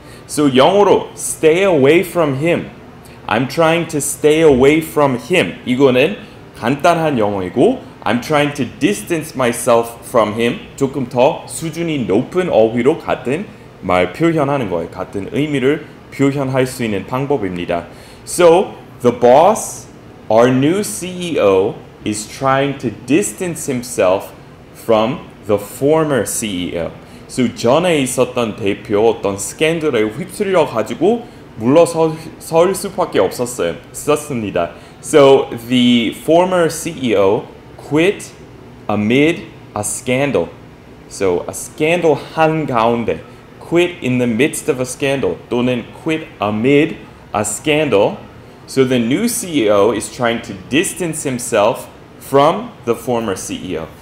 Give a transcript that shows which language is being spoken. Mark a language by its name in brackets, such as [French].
[English] So [Korean] 영어로 [English] stay away from him. I'm trying to stay away from him. [Korean] 이거는 간단한 영어이고 [English] I'm trying to distance myself from him. [Korean] 조금 더 수준이 높은 어휘로 같은 말 표현하는 거예요. 같은 의미를 표현할 수 있는 방법입니다. [English] So the boss, our new CEO, is trying to distance himself from the former CEO. [Korean] So 전에 있었던 대표 어떤 스캔들에 휩쓸려가지고 물러설 수밖에 없었습니다. [English] So the former CEO quit amid a scandal. So a scandal [Korean] 한가운데 [English] quit in the midst of a scandal [Korean] 또는 [English] quit amid a scandal. So the new CEO is trying to distance himself from the former CEO.